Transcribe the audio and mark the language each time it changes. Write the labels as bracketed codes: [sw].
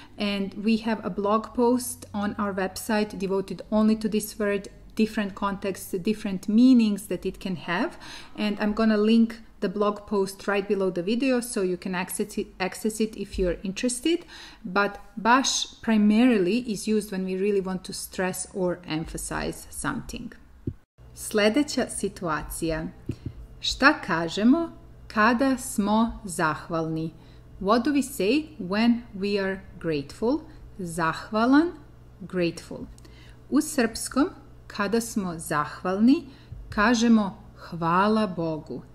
[en] And we have a blog post on our website devoted only to this word, different contexts, different meanings that it can have. And I'm gonna link the blog post right below the video so you can access it if you're interested. But baš primarily is used when we really want to stress or emphasize something. [sr] Sljedeća situacija. Šta kažemo kada smo zahvalni? [en] What do we say when we are grateful? [sr] Zahvalan, grateful. U srpskom, kada smo zahvalni, kažemo hvala Bogu.